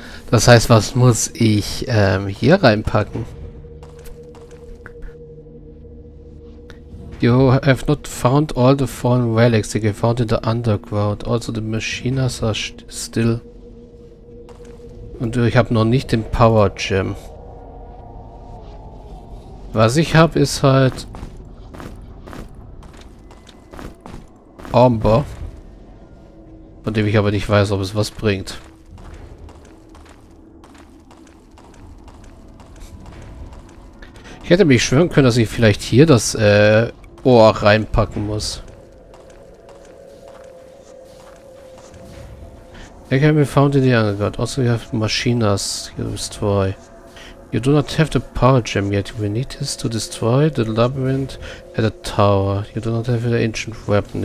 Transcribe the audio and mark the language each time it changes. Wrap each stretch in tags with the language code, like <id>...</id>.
<de>Das heißt, was muss ich hier reinpacken?</de> <en>You have not found all the fallen relics. They were found in the underground. Also the machines are still.</en> <de>Und ich habe noch nicht den Power Gem. Was ich habe, ist halt Amber, von dem ich aber nicht weiß, ob es was bringt. Ich hätte mich schwören können, dass ich vielleicht hier das Ohr reinpacken muss.</de> <en>They can be found in the underground. Also you have machines to destroy. You do not have the power gem yet. We need this to destroy the labyrinth at the tower. You do not have the ancient weapon.</en>